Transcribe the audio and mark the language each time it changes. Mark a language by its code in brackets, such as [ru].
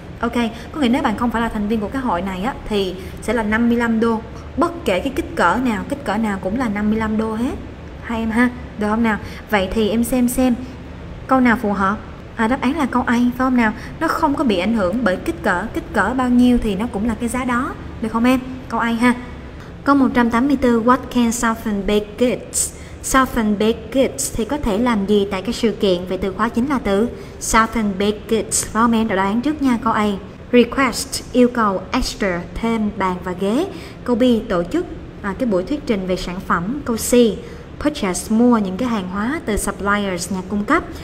[vi] Ok, có nghĩa nếu bạn không phải là thành viên của cái hội này á, thì sẽ là $55, bất kể cái kích cỡ nào cũng là $55 hết. Hay em ha, được không nào? Vậy thì em xem câu nào phù hợp. Đáp án là câu A, phải không nào? Nó không có bị ảnh hưởng bởi kích cỡ bao nhiêu thì nó cũng là cái giá đó, được không em? Câu A ha. [en] Câu 184, what can soften baked goods? [vi] Soften baked goods thì có thể làm gì tại cái sự kiện? Vậy từ khóa chính là từ soften baked goods, phải không em? Đã đoán trước nha. Câu A, request, yêu cầu extra, thêm bàn và ghế. Câu B, tổ chức cái buổi thuyết trình về sản phẩm. Câu C, purchase, mua những cái hàng hóa từ suppliers, nhà cung cấp.